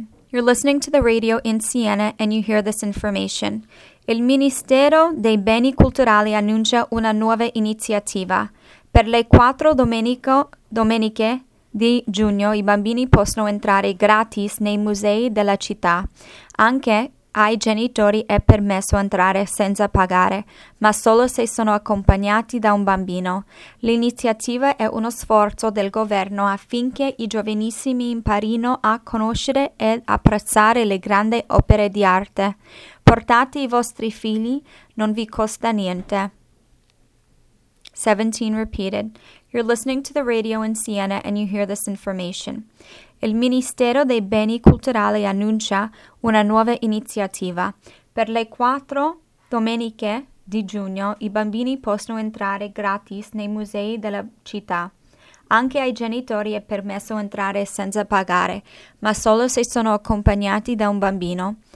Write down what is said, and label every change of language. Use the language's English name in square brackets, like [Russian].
[English] You're listening to the radio in Siena and you hear this information. [Italian] Il Ministero dei Beni Culturali annuncia una nuova iniziativa. Per le 4 domeniche di giugno i bambini possono entrare gratis nei musei della città. Anche ai genitori è permesso entrare senza pagare, ma solo se sono accompagnati da un bambino. L'iniziativa è uno sforzo del governo affinché i giovanissimi imparino a conoscere e apprezzare le grandi opere di arte. Portate i vostri figli, non vi costa niente. [English] 17 repeated. You're listening to the radio in Siena and you hear this information. [Italian] Il Ministero dei Beni Culturali annuncia una nuova iniziativa. Per le 4 domeniche di giugno i bambini possono entrare gratis nei musei della città. Anche ai genitori è permesso entrare senza pagare, ma solo se sono accompagnati da un bambino.